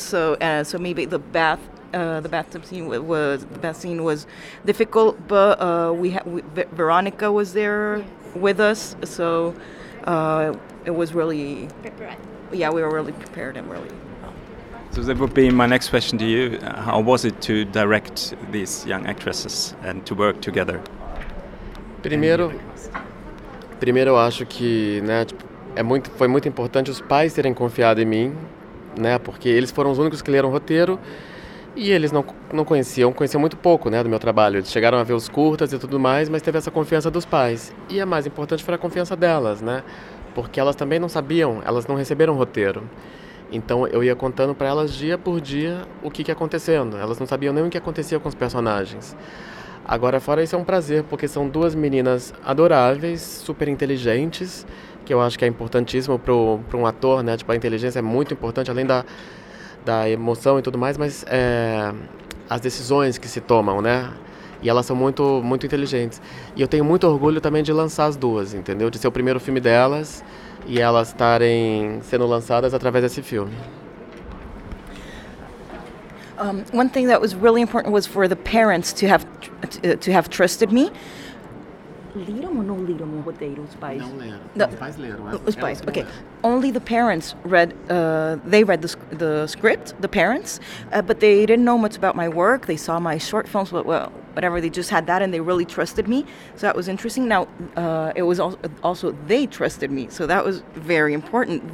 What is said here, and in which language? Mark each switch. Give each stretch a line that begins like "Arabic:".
English: So maybe the bathtub scene was the bath scene was difficult, but Veronica was there with us. So, it was really prepared. Yeah, we were really prepared and really. So that would be my next question to you. How was it to direct these young actresses and to work together?
Portuguese: Primeiro, eu acho que, né, tipo, foi muito importante os pais terem confiado em mim, né, porque eles foram os únicos que leram o roteiro e eles não conheciam muito pouco, né, do meu trabalho. Eles chegaram a ver os curtas e tudo mais, mas teve essa confiança dos pais. E a mais importante foi a confiança delas, né, porque elas também não sabiam, elas não receberam o roteiro. Então eu ia contando para elas dia por dia o que ia acontecendo. Elas não sabiam nem o que acontecia com os personagens. Agora, fora isso, é um prazer, porque são duas meninas adoráveis, super inteligentes, que eu acho que é importantíssimo para um ator, né? Tipo, a inteligência é muito importante, além da emoção e tudo mais, mas as decisões que se tomam, né? E elas são muito, muito inteligentes. E eu tenho muito orgulho também de lançar as duas, entendeu? De ser o primeiro filme delas e elas estarem sendo lançadas através desse filme.
English: One thing that was really important was for the parents to have to have trusted me.
Portuguese: Leram ou não leram o roteiro, os pais? Não leram. Os pais leram. Os pais, okay.
English: Only the parents read, they read the script, the parents, but they didn't know much about my work. They saw my short films, but well, whatever, they just had that and they really trusted me. So that was interesting. Now, it was also they trusted me, so that was very important.